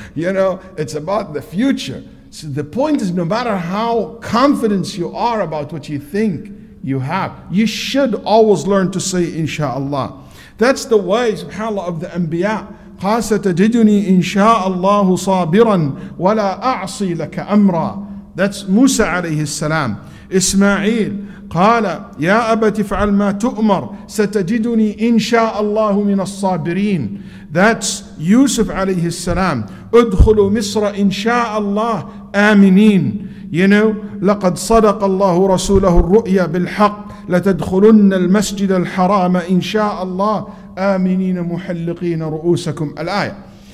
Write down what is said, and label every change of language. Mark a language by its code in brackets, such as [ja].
[en] You know, it's about the future. So the point is, no matter how confident you are about what you think you have, you should always learn to say, inshallah. That's the way, subhanAllah, of the Anbiya. [ar] قَاسَتَجِدُنِي إِنْشَاءَ اللَّهُ صَابِرًا وَلَا أَعْصِي لَكَ أَمْرًا. [en] That's Musa alayhi salam. [ar] Ismail, قَالَ يَا أَبَتِ فَعَلْ مَا تُؤْمَرْ سَتَجِدُنِي إِنْشَاءَ اللَّهُ مِنَ الصَّابِرِينَ. [en] That's Yusuf alayhi salam. [ar] أُدْخُلُ مِصْرَ إِنْشَاءَ اللَّهُ آمِنِينَ. [en] You know, [ar] لَقَدْ صَدَقَ اللَّهُ رَسُولَهُ الرُّؤْيَا بِالْحَقِّ لَتَدْخُلُنَّ الْمَسْجِدَ الْحَرَامَ إِنْشَاءَ اللَّهُ آمِنِينَ مُحَلِّقِينَ رُؤُوسَكُمْ الْآيَةِ.